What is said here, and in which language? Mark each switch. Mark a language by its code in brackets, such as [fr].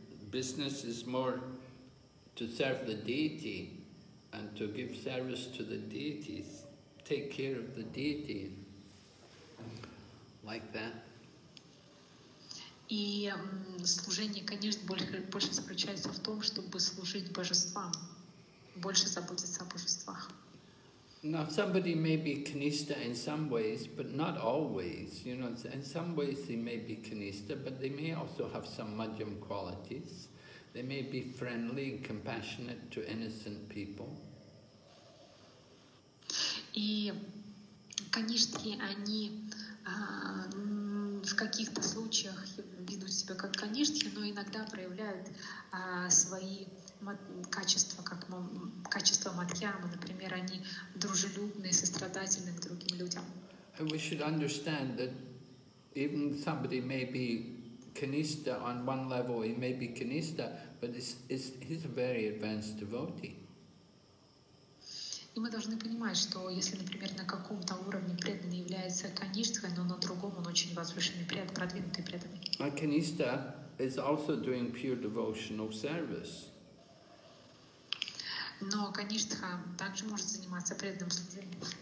[en] business is more to serve the deity and to give service to the deities, take care of the deity, like that. [ru] И служение, конечно, больше заключается в том, чтобы служить божествам, больше заботиться о божествах. [en] Now somebody may be kanista in some ways, but not always. You know, in some ways they may be kanista, but they may also have some madhyam qualities. They may be friendly and compassionate to innocent people. [ru] И канистки, они в каких-то случаях ведут себя как канистки, но иногда проявляют свои качества, как качества мадхьямы, например, они дружелюбные, сострадательные к другим людям. [en] And we should understand that even somebody may be kanista on one level, he may be kanista, but he's a very advanced devotee. [ru] И мы должны понимать, что если, например, на каком-то уровне преданный является канистой, но на другом он очень возвышенный, продвинутый преданный. [en] A kanista is also doing pure devotional service. [ru] Но канистха также может заниматься преданным служением.